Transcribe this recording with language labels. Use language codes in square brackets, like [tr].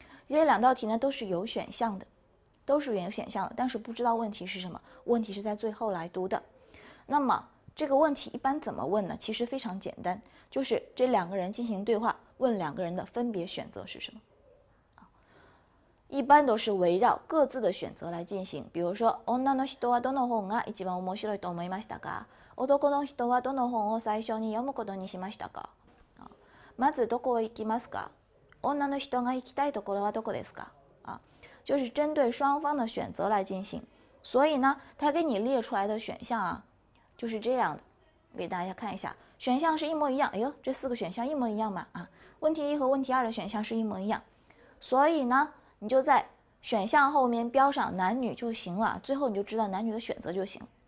[zh] 这两道题呢都是有选项的，都是有选项的，但是不知道问题是什么，问题是在最后来读的。那么这个问题一般怎么问呢？其实非常简单，就是这两个人进行对话，问两个人的分别选择是什么。一般都是围绕各自的选择来进行。比如说， [ja] 女の人はどの本が一番面白いと思いましたか？男の人はどの本を最初に読むことにしましたか？まずどこへ行きますか？女の人が行きたいところはどこですか？ [zh] 就是针对双方的选择来进行。所以呢，他给你列出来的选项啊。就是这样的，给大家看一下，选项是一模一样。哎呦，这四个选项一模一样嘛？啊，问题一和问题二的选项是一模一样，所以呢，你就在选项后面标上男女就行了，最后你就知道男女的选择就行。